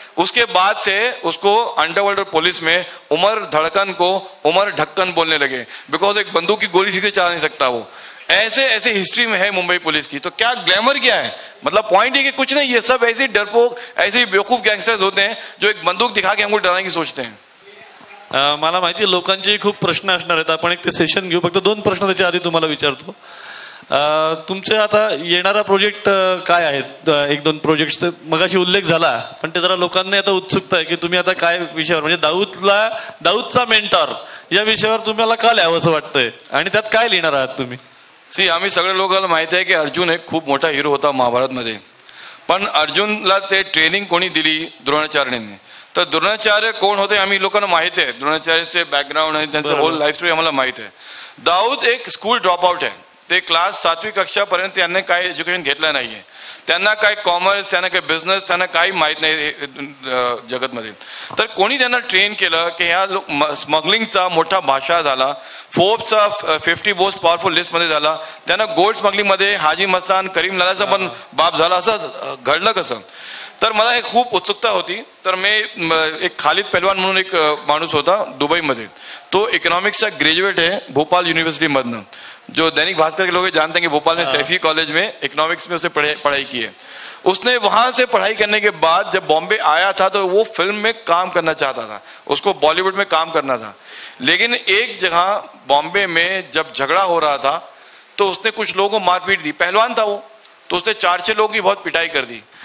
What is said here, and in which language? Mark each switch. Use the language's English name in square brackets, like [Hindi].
[Hindi] उसके बाद से उसको अंडरवर्ल्ड पुलिस में उमर धड़कन को उमर ढक्कन बोलने लगे, बिकॉज एक बंदूक की गोली ठीक से चला नहीं सकता वो। ऐसे ऐसे हिस्ट्री में है मुंबई पुलिस की। तो क्या ग्लैमर क्या है, मतलब पॉइंट ये कि कुछ नहीं, ये सब ऐसे डरपोक ऐसे बेवकूफ गैंगस्टर्स होते हैं जो एक बंदूक दिखा के हमको डराने की सोचते हैं। [Marathi] मला माहिती आहे लोकांचेही खूप प्रश्न असणार आहेत, आपण एक ते सेशन घेऊ, फक्त 2 प्रश्न त्याच्या आधी तुम्हाला विचारतो। तुमचे आता येणारा प्रोजेक्ट काय आहेत, 1-2 प्रोजेक्ट मगाशी उल्लेख झाला पण ते जरा लोकांनी आता उत्सुकता आहे की तुम्ही आता काय विषयावर, म्हणजे दाऊदला दाऊदचा मेंटर या विषयावर तुम्हाला का लिहावं असं वाटतंय आणि त्यात काय लिहिणार आहात तुम्ही? सी आम्ही सगळ्या लोकांना माहिती आहे की अर्जुन एक खूप मोठा हिरो होता महाभारतमध्ये, पण अर्जुनला ते ट्रेनिंग कोणी दिली द्रोणाचार्यांनी, तर द्रोणाचार्य कोण होते आम्ही लोकांना माहित आहे, द्रोणाचार्यचे बॅकग्राऊंड आणि त्यांचं होल लाईफ स्टोरी आम्हाला माहित आहे। दाऊद एक स्कूल ड्रॉपआउट आहे, ते क्लास 7वी कक्षापर्यंत त्यांनी काय एज्युकेशन घेतलं नाही आहे, त्यांना काय कॉमर्स, त्यांना काय बिझनेस, त्यांना काही माहीत नाही जगतमध्ये। तर कोणी त्यांना ट्रेन केलं की ह्या स्मगलिंगचा मोठा भाषा झाला, फोर्ब्सचा 50 मोस्ट पॉवरफुल लिस्टमध्ये झाला, त्यांना गोल्ड स्मगलिंगमध्ये हाजी मस्तान करीम लालाचा पण बाप झाला, असं घडलं कसं? तर मला एक खूप उत्सुकता होती, तर मी एक खालिद पहलवान म्हणून एक माणूस होता दुबईमध्ये, तो इकॉनॉमिक्सचा ग्रेज्युएट आहे भोपाळ युनिव्हर्सिटीमधनं, [Hindi] जो दैनिक भास्कर के लोग जानते हैं कि भोपाल में सैफी कॉलेज में इकोनॉमिक्स में उसे पढ़ाई की है। उसने वहां से पढ़ाई करने के बाद जब बॉम्बे आया था तो वो फिल्म में काम करना चाहता था, उसको बॉलीवुड में काम करना था, लेकिन एक जगह बॉम्बे में जब झगड़ा हो रहा था तो उसने कुछ लोगों को मारपीट दी, पहलवान था वो, तो उसने 4-6 लोगों की बहुत पिटाई कर दी।